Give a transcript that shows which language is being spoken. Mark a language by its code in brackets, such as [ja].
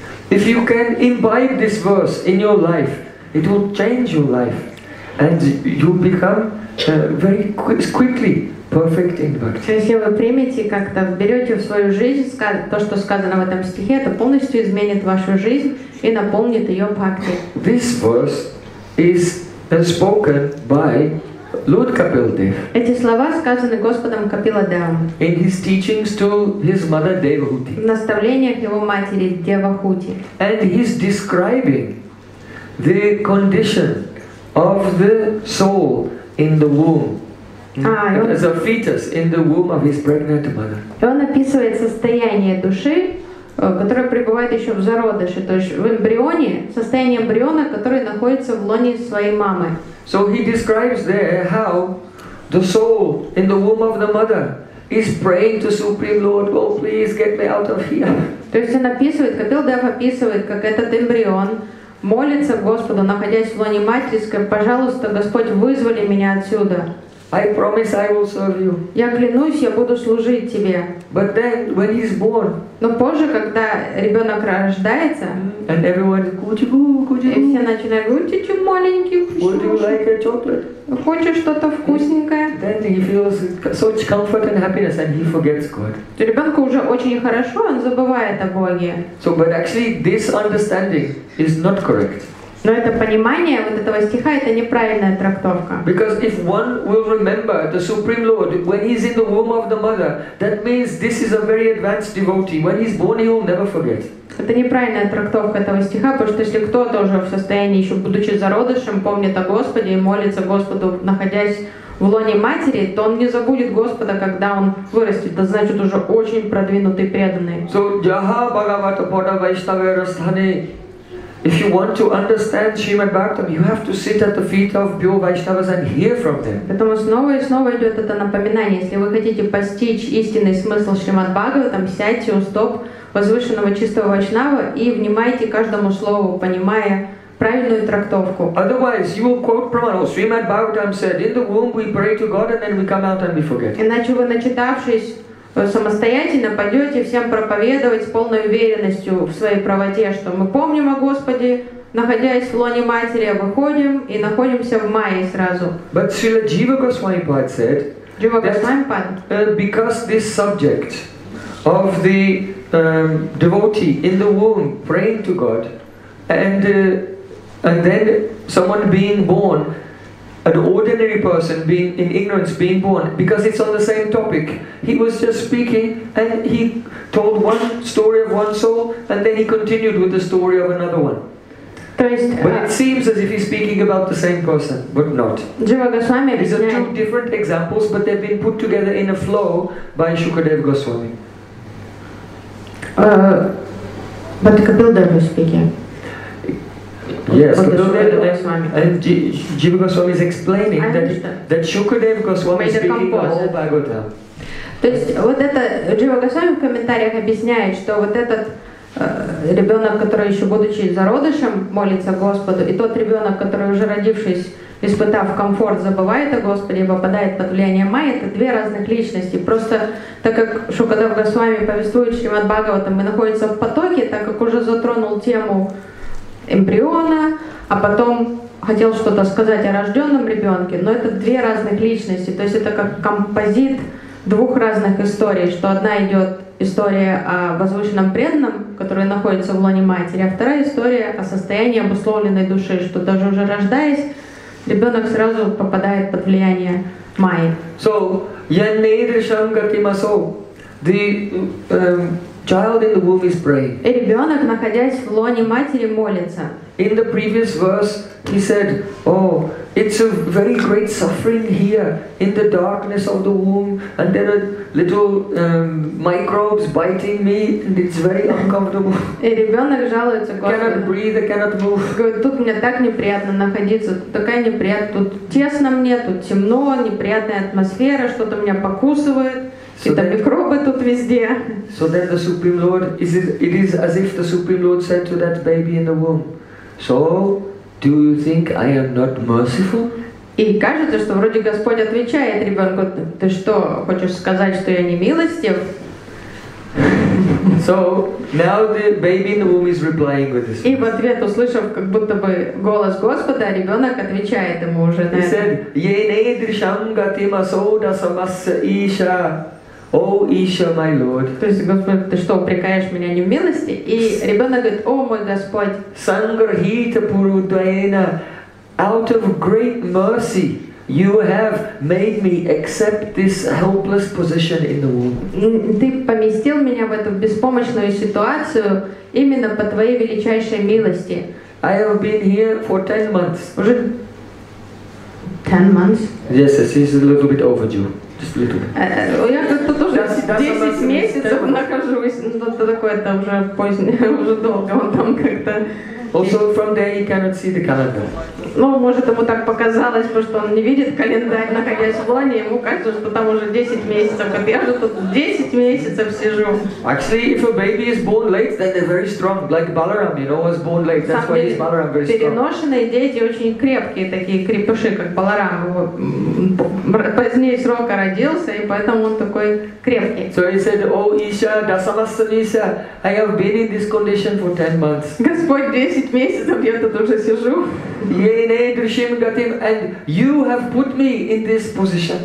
[en] If you can imbibe this verse in your life, it will change your life and you become. Very quickly, perfect in bhakti. [ru] Если вы примете как-то, берете в свою жизнь то, что сказано в этом стихе, это полностью изменит вашу жизнь и наполнит ее бхакти. [en] This verse is spoken by Lord Kapiladev. [ru] Эти слова сказаны Господом Капиладевом. [en] In his teachings to his mother Devahuti. [ru] В наставлениях его матери Девахути. [en] And he's describing the condition of the soul. In the womb, as a fetus in the womb of his pregnant mother. [ru] И он описывает состояние души, которое пребывает еще в зародыше, то есть в эмбрионе, состояние эмбриона, который находится в лоне своей мамы. [en] So he describes there how the soul in the womb of the mother is praying to Supreme Lord, oh please get me out of here. [ru] То есть он описывает, Капиладев описывает, как этот эмбрион молится Господу, находясь в лоне материнской, пожалуйста, Господь, вызволи меня отсюда. [en] I promise I will serve you. [ru] Я клянусь, я буду служить тебе. [en] But then, when he's born, [ru] но позже, когда ребенок рождается, [en] and everyone, ку-чу-ку, ку-чу-ку. [ru] И все начинают говорить, ку-чу-чу, маленький, [en] ку-чу-чу. Would you like a chocolate? [ru] Хочешь что-то вкусненькое? [en] Then he feels such comfort and happiness, and he forgets God. [ru] То ребенку уже очень хорошо, он забывает о Боге. [en] So, but actually, this understanding is not correct. [ru] Но это понимание вот этого стиха, это неправильная трактовка. [en] Because if one will remember the Supreme Lord when he's in the womb of the mother, that means this is a very advanced devotee. When he's born, he will never forget. [ru] Это неправильная трактовка этого стиха, потому что если кто-то уже в состоянии, еще будучи зародышем, помнит о Господе и молится Господу, находясь в лоне матери, то он не забудет Господа, когда он вырастет. Это значит уже очень продвинутый преданный. [sa] So, jaha bhagavata pada vaishnava rasthane. [en] If you want to understand Srimad Bhagavatam, you have to sit at the feet of pure Vaishnavas and hear from them. [ru] Поэтому снова и снова идет это напоминание. Если вы хотите постичь истинный смысл Шримад Бхагаватам, сядьте у стоп возвышенного чистого Вайшнава и внимайте каждому слову, понимая правильную трактовку. [en] Otherwise, you will quote Prema. Oh, Srimad Bhagavatam said, in the womb we pray to God and then we come out and we forget. [ru] Иначе вы, начитавшись, вы самостоятельно пойдете всем проповедовать с полной уверенностью в своей правоте, что мы помним о Господе, находясь в лоне матери, выходим и находимся в мае сразу. [en] But Srila Jiva Goswami Pad said, because this subject of the devotee in the womb praying to God and then someone being born an ordinary person being in ignorance, being born, because it's on the same topic. He was just speaking and he told one story of one soul and then he continued with the story of another one. But it seems as if he's speaking about the same person, but not. These are two different examples, but they've been put together in a flow by Shukadev Goswami. But Kapildev was speaking. Yes, Jiva Goswami is explaining that Shukadev Goswami is speaking the whole Bhagavatam. [ru] То есть вот это Jiva Goswami в комментариях объясняет, что вот этот ребенок, который еще будучи зародышем, молится Господу, и тот ребенок, который уже родившись, испытав комфорт, забывает о Господе, попадает под влияние Майи, это две разных личности. Просто так как Шукадев Госвами повествует Шримад Бхагаватам и находится в потоке, так как уже затронул тему эмбриона, а потом хотел что-то сказать о рожденном ребенке, но это две разных личности. То есть это как композит двух разных историй, что одна идет история о возвышенном преданном, который находится в лоне матери, а вторая история о состоянии обусловленной души, что даже уже рождаясь, ребенок сразу попадает под влияние Майи. [en] So, [sa] yanedrisham gatimaso, [en] the child in the womb is praying. [ru] И ребенок, находясь в лоне матери, молится. [en] In the previous verse, he said, "Oh, it's a very great suffering here in the darkness of the womb, and there are little microbes biting me, and it's very uncomfortable." [ru] И ребенок жалуется, [en] Господи. Cannot breathe, I cannot move. [ru] Говорит, тут мне так неприятно находиться, тут такая неприятно, тут тесно мне, тут темно, неприятная атмосфера, что-то меня покусывает. Какие-то микробы тут везде. [en] So then the Supreme Lord, it is as if the Supreme Lord said to that baby in the womb, "So, do you think I am not merciful?" [ru] И кажется, что вроде Господь отвечает ребенку, ты что, хочешь сказать, что я не милостив? [en] So, now the baby in the womb is replying with this. [ru] И в ответ, услышав как будто бы голос Господа, ребенок отвечает ему уже на это. [en] He said, [sa] "Yenedrisham gatim aso dasamasya isha." [ru] О, Иша, мой Лорд. То есть, Господь, ты что, упрекаешь меня не в милости? И ребенок говорит, о, мой Господь. [sa] Сангархита Пурудвайна, [en] out of great mercy, you have made me accept this helpless position in the womb. [ru] Ты поместил меня в эту беспомощную ситуацию именно по твоей величайшей милости. [en] I have been here for 10 months. [ru] Уже 10 months? [en] Yes, this is a little bit overdue. [ru] Я как-то тоже 10 месяцев нахожусь, что-то такое там уже позднее, уже долго он там как-то. [en] Also from there he cannot see the calendar. [ru] Ну, может ему так показалось, потому что он не видит календарь, находясь в лоне, ему кажется, что там уже 10 месяцев, как я же тут 10 месяцев сижу. [en] Actually, if a baby is born late, then they're very strong, like Balaram, you know, was born late, that's why he's Balaram very strong. [ru] Переношенные дети очень крепкие, такие крепыши, как Баларам, позднее срока родился, и поэтому он такой крепкий. [en] So he said, "Oh, Isha, Dasamasanisha, I have been in this condition for 10 months." [ru] Господь 10 месяцев я тут уже сижу. [en] And you have put me in this position.